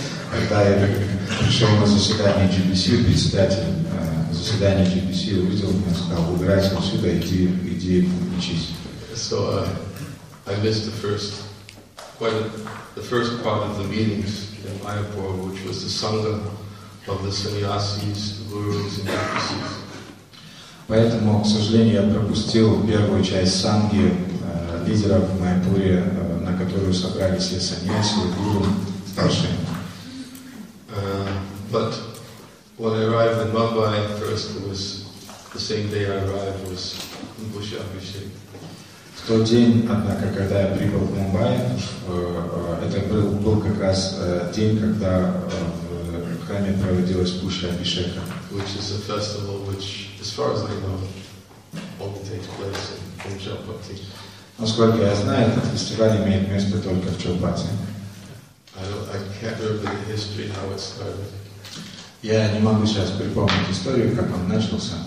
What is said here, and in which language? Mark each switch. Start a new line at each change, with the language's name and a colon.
Russian: когда я пришел на заседание GBC, председатель заседания GBC увидел меня, сказал, убирайся отсюда, иди учись.
English: So I missed the first part of the meetings in Mayapur, which was the Sangha of the Sannyasis, Gurus and Gurus.
Russian: Поэтому, к сожалению, я пропустил первую часть Санги лидеров в Майпуре, на которую собрались все саньяси, гуру, старшие.
English: But when I arrived in Mumbai first, it was the same day I arrived was Bhusha Abhishek.
Russian: В тот день, однако, когда я прибыл в Мумбай, это был как раз день, когда в храме проводилась Бхуша Абхишека.
English: Which is a festival which, as far as I know, only takes place in Chaupati.
Russian: Насколько я знаю, этот фестиваль имеет место только в Чхолпати.
English: I can't remember the history how it started.
Russian: Я не могу сейчас припомнить историю, как он начался.